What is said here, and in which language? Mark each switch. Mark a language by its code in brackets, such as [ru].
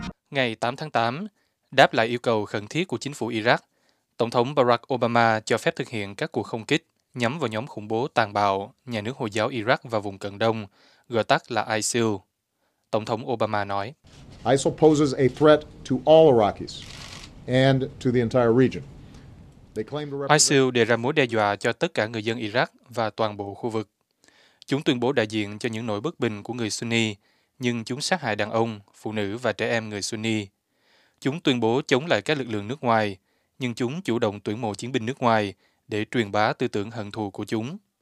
[vi] Ngày 8 tháng 8, đáp lại yêu cầu khẩn thiết của chính phủ Iraq, Tổng thống Barack Obama cho phép thực hiện các cuộc không kích nhắm vào nhóm khủng bố tàn bạo Nhà nước Hồi giáo Iraq và vùng Cận Đông, gọi tắt là ISIL. Tổng thống Obama nói, [en] ISIL poses a threat to all Iraqis and to the entire region. They claim to represent... [vi] ISIL đề ra mối đe dọa cho tất cả người dân Iraq và toàn bộ khu vực. Chúng tuyên bố đại diện cho những nỗi bất bình của người Sunni, nhưng chúng sát hại đàn ông, phụ nữ và trẻ em người Sunni. Chúng tuyên bố chống lại các lực lượng nước ngoài, nhưng chúng chủ động tuyển mộ chiến binh nước ngoài để truyền bá tư tưởng hận thù của chúng.